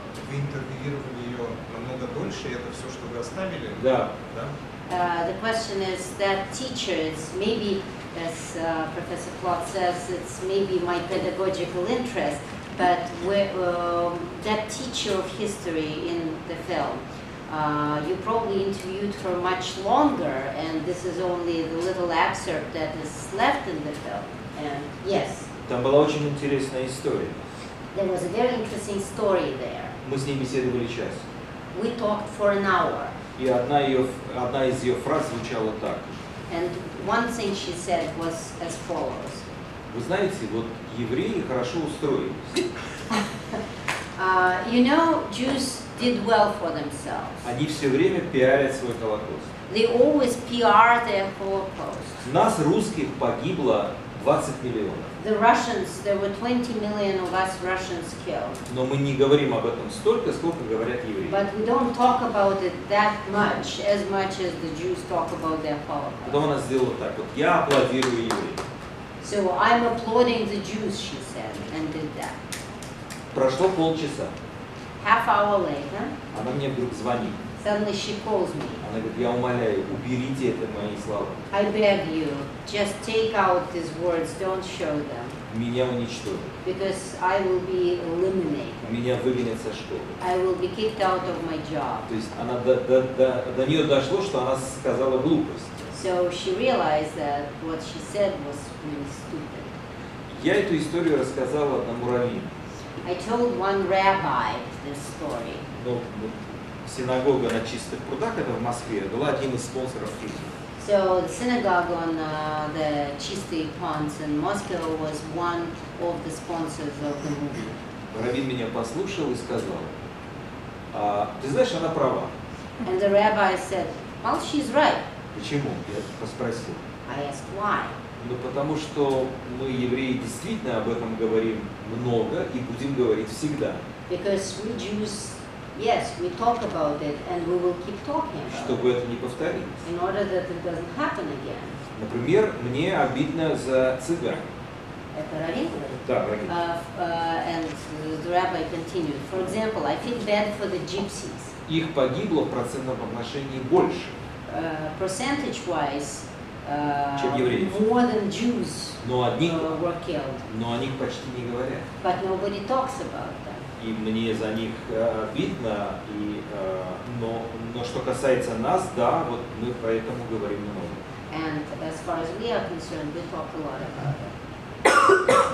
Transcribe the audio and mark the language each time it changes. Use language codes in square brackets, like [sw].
[ru] вы интервьюировали ее намного дольше, и это все, что вы оставили? Да. Да? [en] The question is that teachers, maybe, as Professor Plot says, it's maybe my pedagogical interest, but that teacher of history in the film, you probably interviewed her much longer, and this is only the little excerpt that is left in the film. And yes. [ru] Там была очень интересная история. [en] There was a very interesting story there. [ru] Мы с ней беседовали час. [en] We talked for an hour. [ru] И одна из ее фраз звучала так. [en] And one thing she said was as follows. [ru] Вы знаете, вот евреи хорошо устроились. [en] You know, Jews did well for themselves. [ru] Они все время пиарят свой Холокост. [en] They always PR their Holocaust. [ru] Нас, русских, погибло 20 миллионов. [en] The Russians, there were 20 million of us Russians killed. [ru] Но мы не говорим об этом столько, сколько говорят евреи. [en] But we don't talk about it that much as the Jews talk about their Holocaust. [ru] Потом она сделала так, вот я аплодирую евреям. [en] So I'm applauding the Jews, she said, and did that. [ru] Прошло полчаса. [en] Half hour later. [ru] Она мне вдруг звонит. [en] Suddenly she calls me. [ru] Она говорит, я умоляю, уберите это мои слова. [en] I beg you, just take out these words, don't show them. [ru] Меня уничтожат. [en] Because I will be eliminated. [ru] Меня выгонят со школы. [en] I will be kicked out of my job. [ru] То есть она до нее дошло, что она сказала глупость. [en] So she realized that what she said was really stupid. [ru] Я эту историю рассказал одному раввину. [en] I told one rabbi this story. [ru] Ну, синагога на Чистых прудах, это в Москве, была одним из спонсоров фильма. [en] So the synagogue on the Чистые Ponds in Moscow was one of the sponsors of the movie. [ru] Раввин меня послушал и сказал, ты знаешь, она права. [en] And the rabbi said, well, she's right. [ru] Почему? Я поспросил. [en] I asked why. [ru] Ну, потому что мы, евреи, действительно об этом говорим много и будем говорить всегда. [en] Because we Jews, yes, we talk about it and we will keep talking about it. [ru] Чтобы это не повторилось. [en] In order that it doesn't happen again. [ru] Например, мне обидно за цыган. Это раввин говорит? Да, раввин. [en] And the rabbi continued. For example, I feel bad for the gypsies. [ru] Их погибло в процентном отношении больше. [en] Percentage-wise, [ru] чем евреев. [en] More than Jews, [ru] но одни, [en] were killed. [ru] Но о них почти не говорят. [en] But nobody talks about them. [ru] И мне за них обидно, но что касается нас, да, вот мы поэтому говорим много. [en] And as far as we are concerned, we talk a lot about it.